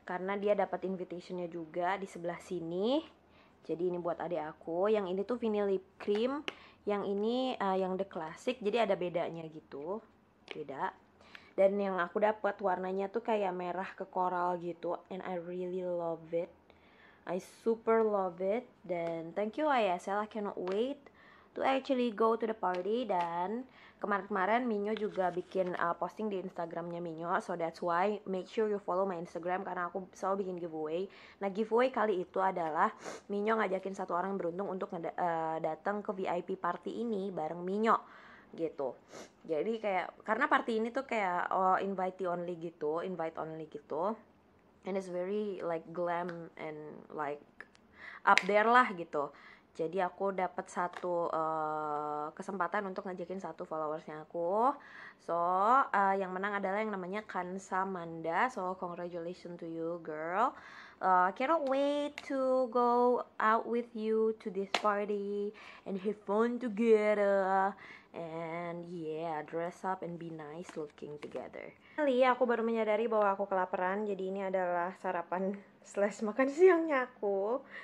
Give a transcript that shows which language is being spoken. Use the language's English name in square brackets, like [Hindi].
[Indonesian] Karena dia dapat invitation-nya juga di sebelah sini. Jadi ini buat adik aku. Yang ini tuh vinyl lip cream. Yang ini yang [English] the classic. [Indonesian] Jadi ada bedanya gitu. Beda. Dan yang aku dapat warnanya tuh kayak merah ke coral gitu. [English] And I really love it. I super love it. [Indonesian] Dan [English] thank you YSL. I cannot wait to actually go to the party. [Indonesian] Dan kemarin-kemarin Minyo juga bikin posting di Instagramnya Minyo. [English] So that's why make sure you follow my Instagram. [Indonesian] Karena aku selalu bikin giveaway. Nah giveaway kali itu adalah Minyo ngajakin satu orang beruntung untuk datang ke VIP party ini bareng Minyo gitu. Jadi kayak karena party ini tuh kayak invite only gitu. [English] And it's very like glam and like up there [Indonesian] lah gitu. Jadi aku dapat satu kesempatan untuk ngajakin satu followersnya aku. So, yang menang adalah yang namanya Kansa Manda. [English] So, congratulations to you, girl. Cannot wait to go out with you to this party and have fun together. And yeah, dress up and be nice looking together. [Indonesian] Kali aku baru menyadari bahwa aku kelaparan. Jadi ini adalah sarapan / makan siangnya aku.